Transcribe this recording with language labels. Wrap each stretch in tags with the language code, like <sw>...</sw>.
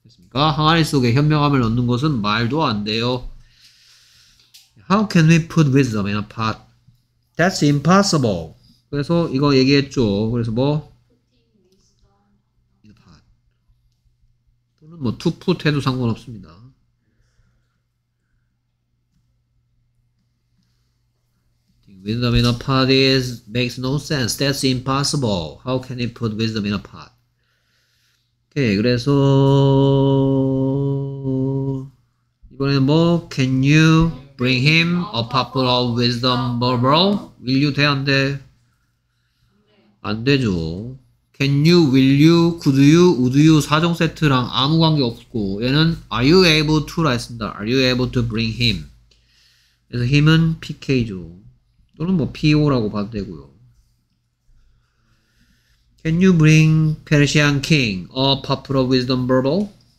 <ko>가 항아리 속에 현명함을 넣는 것은 말도 안 돼요.</ko> <en>How can we put wisdom in a pot? That's impossible.</en> <ko>그래서 이거 얘기했죠. 그래서 뭐?</ko> <en>In a pot.</en> <ko>또는 뭐 to put 해도 상관없습니다.</ko> <en>putting wisdom in a pot is makes no sense. That's impossible. How can we put wisdom in a pot?</en> <ko>오케이. 그래서 이번에는 뭐</ko> <en>can you bring him a puffer of wisdom bubble?</en> <ko>will you 돼 안 돼? 안 되죠.</ko> <en>can you, will you, could you, would you 4종 세트랑 아무 관계 없고 얘는 are you able to</en> <ko>라 했습니다.</ko> <en>are you able to bring him? 그래서 him은 pk죠.</en> <ko>또는 뭐 po라고 봐도 되고요.</ko> <en>Can you bring Persian king a puffer of wisdom bubble?</en>